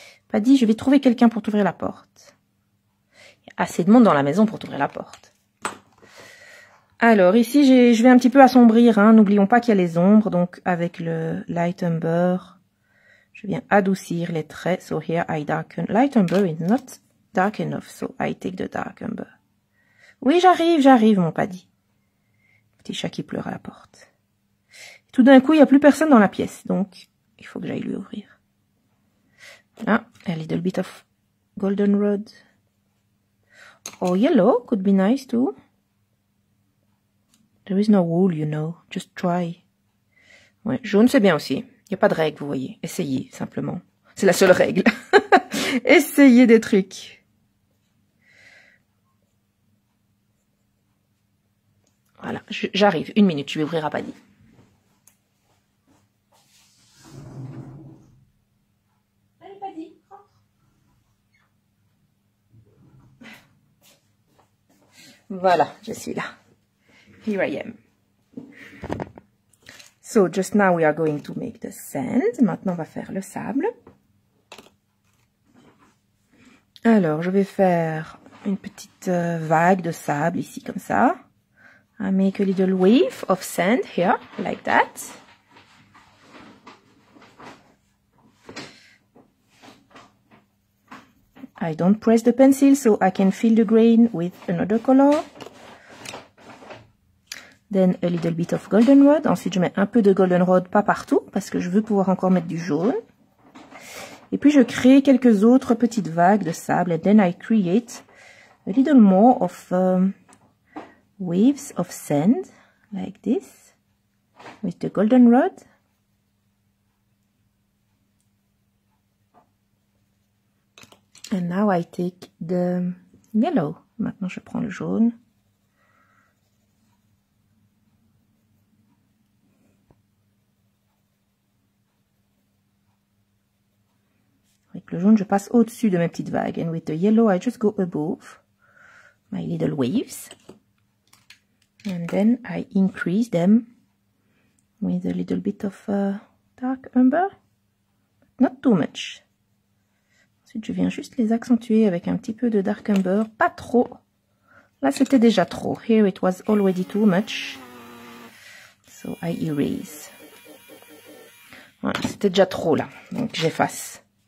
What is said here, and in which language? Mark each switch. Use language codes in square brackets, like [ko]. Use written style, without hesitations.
[fr] Paddy, je vais trouver quelqu'un pour t'ouvrir la porte. Il y a assez de monde dans la maison pour t'ouvrir la porte. Alors ici, je vais un petit peu assombrir, hein. N'oublions pas qu'il y a les ombres, donc avec le light umber, je viens adoucir les traits. [en] So here I darken. Light umber is not dark enough, so I take the dark umber. [fr] Oui, j'arrive, mon Paddy. Petit chat qui pleure à la porte. Tout d'un coup, il n'y a plus personne dans la pièce, donc il faut que j'aille lui ouvrir. [en] Ah, a little bit of goldenrod. Oh, yellow could be nice too. There is no rule, you know. Just try. [fr] Ouais, jaune, c'est bien aussi. Il n'y a pas de règle, vous voyez. Essayez, simplement. C'est la seule règle. Essayez des trucs. Voilà, j'arrive. 1 minute, je vais ouvrir à Paddy. Voilà, je suis là. [en] Here I am. So just now we are going to make the sand. [fr] Maintenant on va faire le sable. Alors je vais faire une petite vague de sable ici comme ça. [en] I make a little wave of sand here, like that. I don't press the pencil, so I can fill the grain with another color. Then a little bit of goldenrod. [fr] Ensuite, je mets un peu de goldenrod, pas partout, parce que je veux pouvoir encore mettre du jaune. Et puis, je crée quelques autres petites vagues de sable. [en] And then I create a little more of waves of sand, like this, with the goldenrod. And now I take the yellow. [fr] Maintenant, je prends le jaune. Avec le jaune, je passe au-dessus de mes petites vagues. [en] And with the yellow, I just go above my little waves. And then I increase them with a little bit of dark umber. Not too much. [fr] Ensuite, je viens juste les accentuer avec un petit peu de dark umber. Pas trop. Là, c'était déjà trop. [en] Here, it was already too much. So, I erase. [fr] Voilà, c'était déjà trop, là. Donc, j'efface.